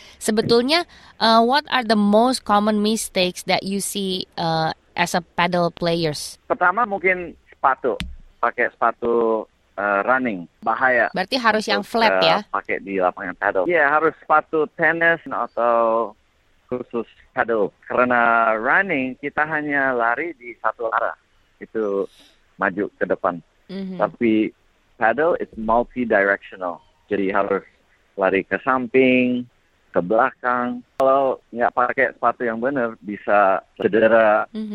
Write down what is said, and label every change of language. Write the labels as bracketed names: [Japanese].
[Indonesian] Sebetulnya, [English] what are the most common mistakes that you see as a paddle players? [Indonesian] Pertama mungkin sepatu. Pakai sepatu running. Bahaya. Berarti harus yang flat ya? Pakai di lapangan paddle. Iya, harus sepatu tennis atau khusus paddle. Karena running, kita hanya lari di satu arah. Itu maju ke depan. Tapi [English] paddle is multi-directional. [Indonesian] Jadi harus lari ke samping, ke belakang. Kalau nggak pakai sepatu yang benar, bisa cedera.